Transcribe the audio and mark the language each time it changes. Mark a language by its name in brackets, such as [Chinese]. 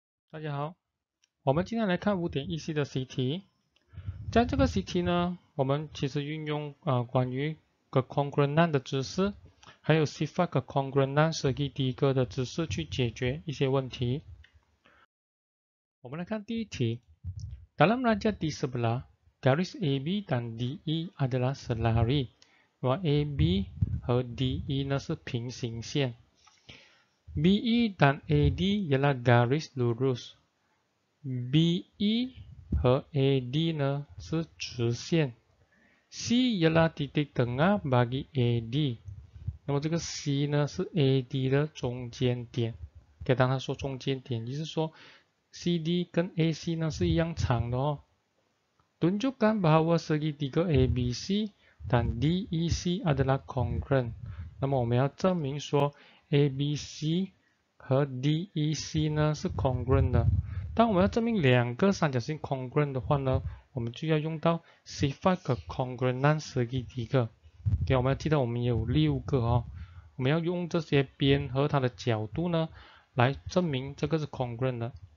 [Chinese] 大家好，我们今天来看 5.1C 的习题。在这个习题呢，我们其实运用关于 congruent NAND 的知识，还有 CFAX congruent NAND 设计第一个的知识去解决一些问题。 [Malay] 我们来看第一题，dalam rangka di sebelah garis AB dan DE adalah selari, bahwa [Chinese] AB 和 DE 呢是平行线。 [Malay] BE dan AD ialah garis lurus. [Chinese] BE 和 AD 呢是直线。 [Malay] C ialah titik tengah bagi AD. [Chinese] 那么这个 C 呢是 AD 的中间点。给大家说中间点，就是说 CD 跟 AC 呢是一样长的哦。 [Malay] Tunjukkan bahwa segi tiga ABC dan DEC adalah congruent. [Chinese] 那么我们要证明说 ABC 和 DEC 呢是 congruent 的。当我们要证明两个三角形 congruent 的话呢，我们就要用到 CFAX congruent 设计第一个。给、okay, 我们要记得我们有六个哦，我们要用这些边和它的角度呢来证明这个是 congruent 的。